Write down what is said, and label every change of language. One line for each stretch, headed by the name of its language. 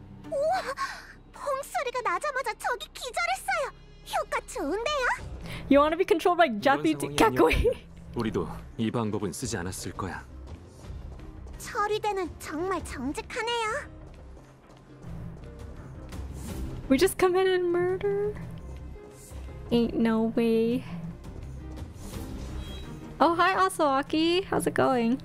Korean: 우와, 봉 소리가 나자마자 적이 기절했어요. 효과 좋은데요?
English: You want to be controlled by Japanese Kakui?
Korean: 우리도 이 방법은 쓰지 않았을 거야. 처리대는 정말 정직하네요.
English: We just committed murder? Ain't no way. Oh, hi, Asuaki. How's it going?